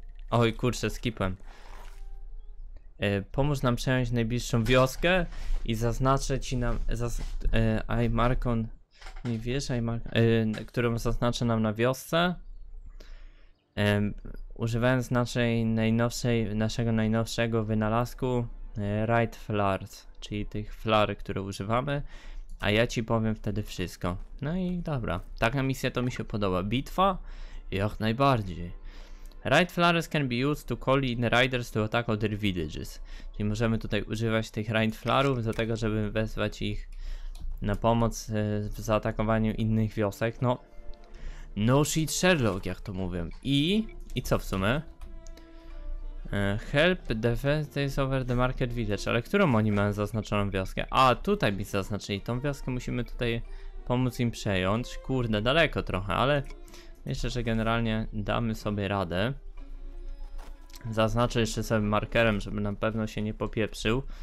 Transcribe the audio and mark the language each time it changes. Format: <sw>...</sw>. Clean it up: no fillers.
<pl>Oj kurczę, skipłem. Pomóż nam przejąć najbliższą wioskę i zaznaczę ci nam Aymarkon, nie wiesz, którą zaznaczę nam na wiosce, używając naszego najnowszego wynalazku Right Flares, czyli tych flar, które używamy, a ja ci powiem wtedy wszystko. No i dobra, taka misja to mi się podoba. Bitwa? Jak najbardziej.</pl> <en>Right flares can be used to call in riders to attack other villages.</en> <pl>Czyli możemy tutaj używać tych right flarów do tego, żeby wezwać ich na pomoc w zaatakowaniu innych wiosek. No,</pl> <en>no shit Sherlock,</en> <pl>jak to mówię. I co w sumie?</pl> <en>Help defense is over the market village.</en> <pl>Ale którą oni mają zaznaczoną wioskę? A, tutaj mi zaznaczyli. Tą wioskę musimy tutaj pomóc im przejąć. Kurde, daleko trochę, ale... Myślę, że generalnie damy sobie radę. Zaznaczę jeszcze sobie markerem, żeby na pewno się nie popieprzył.</pl>